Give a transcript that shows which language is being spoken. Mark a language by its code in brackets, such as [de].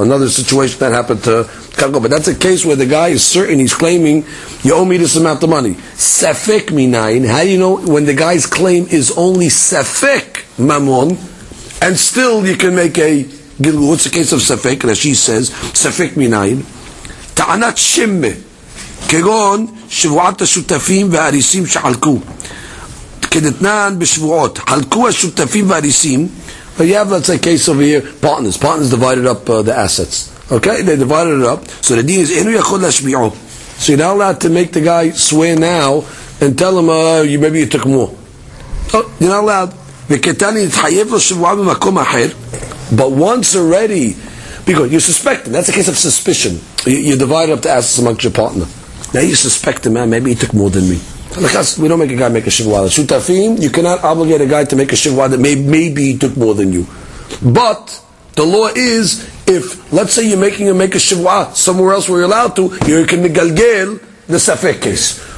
[en] Another situation that happened to Karkaot. But that's a case where the guy is certain, he's claiming, you owe me this amount of money. Sefek minayin. How do you know when the guy's claim is only Sefek Mamon, and still you can make a Gilgul? What's the case of Sefek? And as she says, Sefek minayin. Ta'anat Shimme. [he] כגון שבועת השותפים והריסים שחלקו כדתנן בשבועות חלקו השותפים והריסים. [en] You have, let's say, case over here, partners divided up the assets, okay, they divided it up, so the deal is [he] אינו יכול להשביעו. [en] So you're not allowed to make the guy swear now and tell him maybe you took more. You're not allowed. [he] וכתני התחייב לו שבוע במקום אחר. [en] But once already, because you suspect him, that's a case of suspicion, you divide up the assets amongst your partner. Now you suspect the man, maybe he took more than me. We don't make a guy make a shivwa. Shutafim, you cannot obligate a guy to make a shivwa that maybe he took more than you. But the law is, if, let's say you're making him make a shivwa somewhere else where you're allowed to, you can negalgel the safek case.